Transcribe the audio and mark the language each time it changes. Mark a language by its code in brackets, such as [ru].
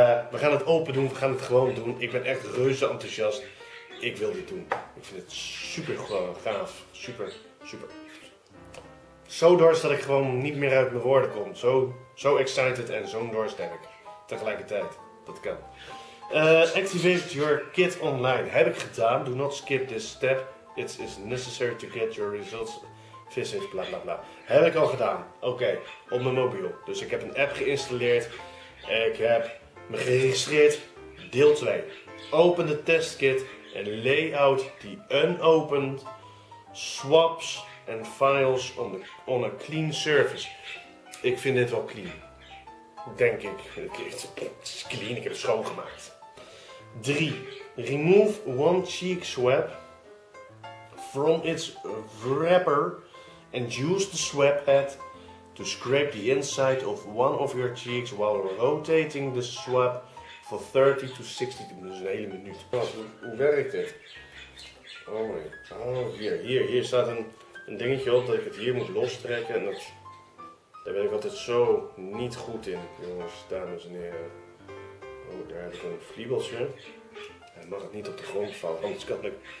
[nl] We gaan het open doen, we gaan het gewoon doen. Ik ben echt reuze enthousiast. Ik wil dit doen. Ik vind het super gaaf. Super, super. Zo dorst dat ik gewoon niet meer uit mijn woorden kom. Zo excited en zo dorst heb ik. Tegelijkertijd, dat kan. [en] Activate your kit online. [nl] Heb ik gedaan. [en] Do not skip this step. It is necessary to get your results. Visit bla bla bla. [nl] Heb ik al gedaan. Oké, op mijn mobiel. Dus ik heb een app geïnstalleerd. Ik heb me geregistreerd. Deel 2. Open de testkit en layout die unopened swaps en files [en] on a clean surface. [nl] Ik vind dit wel clean. Denk ik. Het is clean, ik heb het schoongemaakt. 3. [en] Remove one cheek swab from its wrapper and use the swab head to scrape the inside of one of your cheeks while rotating the swab for 30 to 60 minutes. [nl] Dat is een hele minuut. Hoe werkt dit? [en] Oh my god. [nl] Oh, hier staat een dingetje op dat ik het hier moet lostrekken. En daar ben ik altijd zo niet goed in, jongens, dames en heren. Oh, daar heb ik een vliebeltje. Hij mag het niet op de grond vallen, anders kan ik.